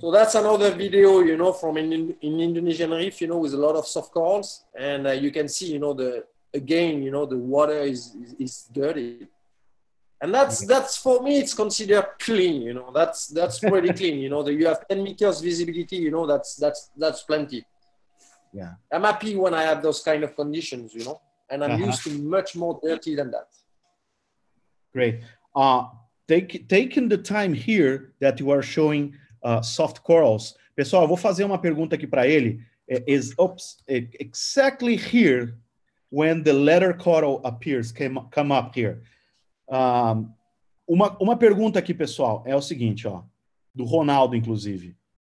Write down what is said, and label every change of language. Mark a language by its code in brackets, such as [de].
[en] So that's another video, you know, from in Indonesian reef, you know, with a lot of soft corals, and you can see, you know, the water is dirty, and that's for me, it's considered clean, you know, that's pretty clean, you know, that you have 10 meters visibility, you know, that's plenty. Yeah. I'm happy when I have those kind of conditions, you know, and I'm used to much more dirty than that. Great. Taking the time here that you are showing. Soft corals. [pt] Pessoal, eu vou fazer uma pergunta aqui para ele. [en] Exactly here when the letter coral appears, come up here. [pt] Uma pergunta aqui, pessoal, é o seguinte, ó, do Ronaldo, inclusive.